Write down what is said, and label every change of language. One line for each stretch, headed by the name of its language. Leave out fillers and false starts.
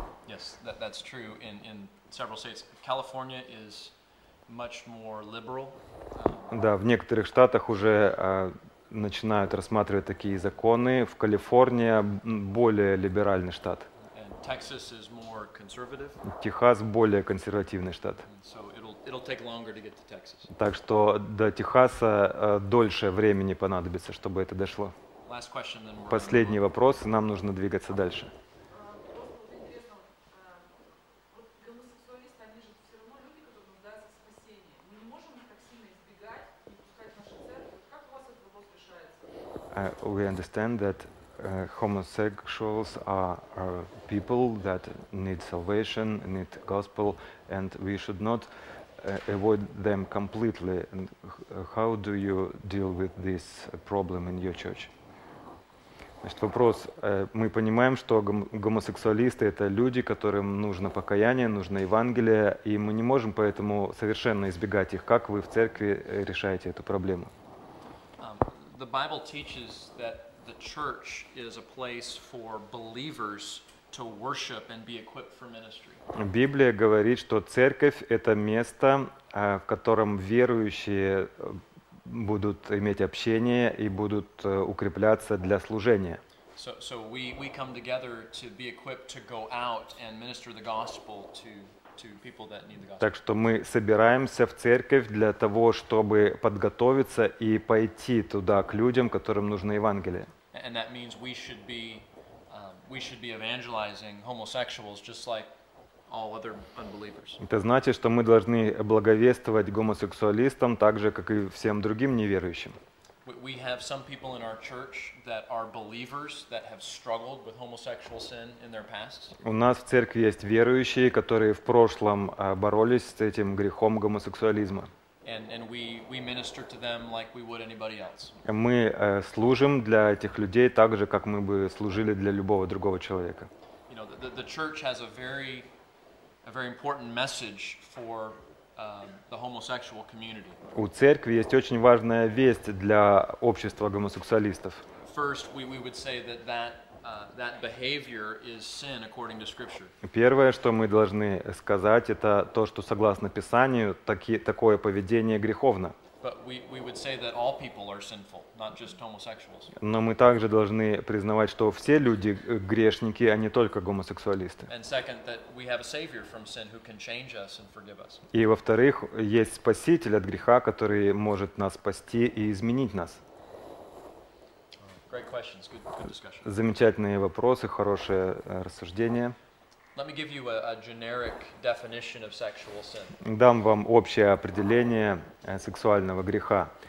English: Yes, that's true in several states. California is much more liberal.
Russian: Да, в некоторых штатах уже начинают рассматривать такие законы. В Калифорнии более либеральный штат.
English: Texas is more conservative.
Russian: Техас более консервативный штат.
English: So it'll take longer to get to Texas.
Russian: Так что до Техаса дольше времени понадобится, чтобы это дошло.
English: Last question, then we're
Russian: Последний
English: gonna...
Russian: вопрос, нам нужно двигаться
English: okay.
Russian: дальше.
English: We understand that homosexuals are people that need salvation, need gospel, and we should not avoid them completely. And how do you deal with this problem in your church?
Russian: Значит, вопрос. Мы понимаем, что гомосексуалисты — это люди, которым нужно покаяние, нужно Евангелие, и мы не можем поэтому совершенно избегать их. Как вы в церкви решаете эту проблему?
English: The Bible teaches that the church is a place for believers to worship and be equipped for ministry.
Russian: Библия говорит, что церковь — это место, в котором верующие будут иметь общение и будут укрепляться для служения.
English: So we come together to be equipped to go out and minister the gospel to people that need the gospel.
Russian: Так что мы собираемся в церковь для того, чтобы подготовиться и пойти туда к людям, которым нужно Евангелие.
English: And that means we should be evangelizing homosexuals just like all other unbelievers.
Russian: Это значит, что мы должны благовествовать гомосексуалистам так же, как и всем другим неверующим.
English: We have some people in our church that are believers that have struggled with homosexual sin in their past.
Russian: У нас в церкви есть верующие, которые в прошлом боролись с этим грехом гомосексуализма.
English: And we minister to them like we would anybody else.
Russian: Мы служим для этих людей так же, как мы бы служили для любого другого человека.
English: You know, the church has a very important message for the homosexual community.
Russian: У церкви есть очень важная весть для общества гомосексуалистов.
English: First, we would say that behavior is sin according to scripture.
Russian: Первое, что мы должны сказать, это то, что согласно Писанию, такое поведение греховно.
English: But we would say that all people are sinful, not just homosexuals.
Russian: Но мы также должны признавать, что все люди грешники, а не только гомосексуалисты.
English: And second, that we have a savior from sin who can change us and forgive us.
Russian: И во-вторых, есть спаситель от греха, который может нас спасти и изменить нас.
English: Great questions. Good discussion.
Russian: Замечательные вопросы, хорошее рассуждение.
English: Let me give you a generic definition of sexual sin.
Russian: Дам вам общее определение сексуального греха.